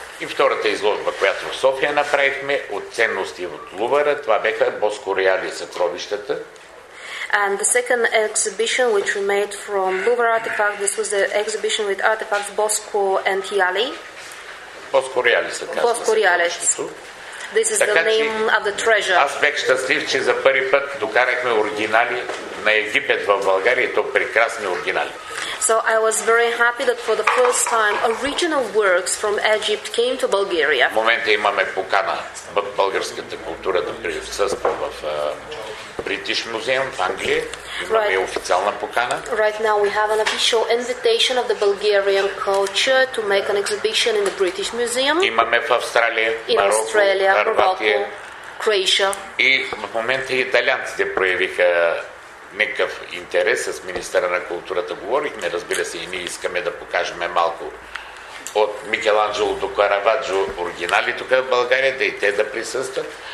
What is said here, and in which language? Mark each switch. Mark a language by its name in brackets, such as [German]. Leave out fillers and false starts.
[Bulgarian] И втората изложба, която в София направихме, от ценности от Лувъра, това бяха Боско Реали съкровищата. [English] And the second exhibition which we made from Louvre artifacts, this was the exhibition with artifacts Bosco and Tiali. [Bulgarian] Боско Реали се казва. Боско Реали. [English] This is the name of the treasure. [Bulgarian] Аз бях щастлив, че за първи път докарахме оригинали на Египет в България, и то прекрасни оригинали. [English] So I was very happy that for the first time original works from Egypt came to Bulgaria. [Bulgarian] В момента имаме покана от българската култура да присъства в British Museum в Англия. Имаме официална покана. [English] Right now we have an official invitation of the Bulgarian culture to make an exhibition in the British Museum. [Bulgarian] Имаме в Австралия, Марокко, Хърватия, [English] Croatia. [Bulgarian] И в момента италианците проявиха някакъв интерес. С министъра на културата говорихме, разбира се, и ние искаме да покажем малко от Микеланджело до Караваджо оригинали тук в България, да и те да присъстват.